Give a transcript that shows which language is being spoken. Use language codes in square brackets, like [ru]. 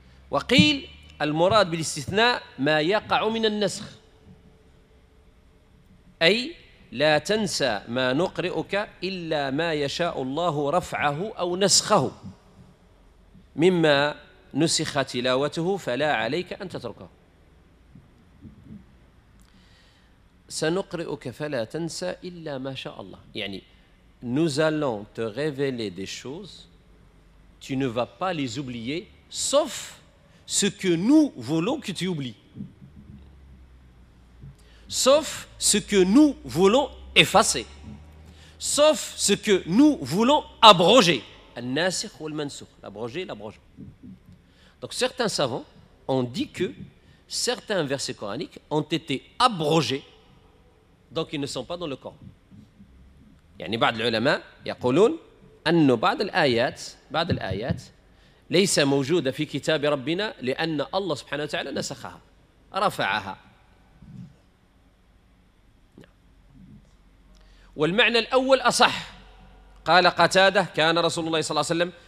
[ar] وقيل المراد بالاستثناء ما يقع من النسخ، أي لا تنسى ما نقرئك إلا ما يشاء الله رفعه أو نسخه مما نسخ تلاوته فلا عليك أن تتركه. سنقرئك فلا تنسى إلا ما شاء الله، يعني [fr] nous allons te révéler des choses, tu ne vas pas les oublier sauf ce que nous voulons que tu oublies. Sauf ce que nous voulons effacer. Sauf ce que nous voulons abroger. Al-Nasikh ou Al-Mansukh. L'abroger, l'abroger. Donc certains savants ont dit que certains versets coraniques ont été abrogés. Donc ils ne sont pas dans le Coran. [ar] يعني بعض العلماء يقولون أن بعض الآيات ليس موجودة في كتاب ربنا لأن الله سبحانه وتعالى نسخها رفعها. والمعنى الأول أصح، قال قتادة كان رسول الله صلى الله عليه وسلم